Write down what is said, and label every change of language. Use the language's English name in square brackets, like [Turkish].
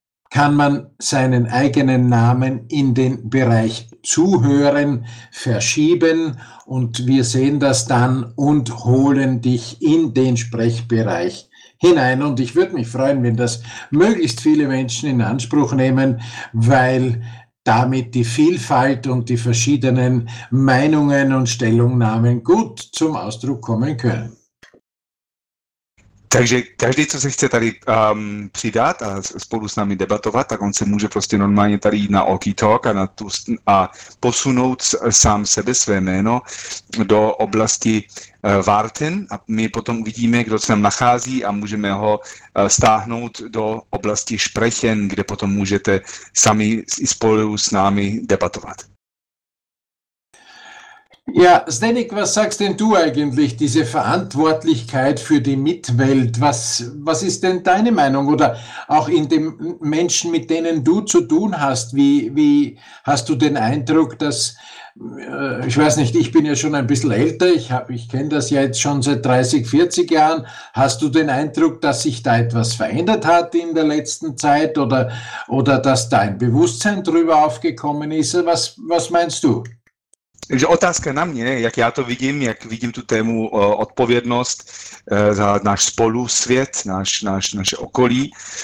[German] kann man seinen eigenen Namen in den Bereich Zuhören verschieben und wir sehen das dann und holen dich in den Sprechbereich hinein. Und ich würde mich freuen, wenn das möglichst viele Menschen in Anspruch nehmen, weil damit die Vielfalt und die verschiedenen Meinungen und Stellungnahmen gut zum Ausdruck kommen können. [Czech] Takže každý, co se chce tady přidat a spolu s námi debatovat, tak on se může prostě normálně tady jít na Oki Talk a posunout sám sebe, své jméno do oblasti Warten a my potom uvidíme, kdo se tam nachází a můžeme ho stáhnout do oblasti Sprechen, kde potom můžete sami spolu s námi debatovat. [German] Ja, Stenik, was sagst denn du eigentlich, diese Verantwortlichkeit für die Mitwelt, was ist denn deine Meinung oder auch in den Menschen, mit denen du zu tun hast, wie hast du den Eindruck, dass, ich weiß nicht, ich bin ja schon ein bisschen älter, ich kenne das ja jetzt schon seit 30, 40 Jahren, hast du den Eindruck, dass sich da etwas verändert hat in der letzten Zeit oder dass da ein Bewusstsein drüber aufgekommen ist, was meinst du? [Czech] Takže otázka na mě, jak já to vidím, jak vidím tu tému odpovědnost za náš spolusvět, naše okolí.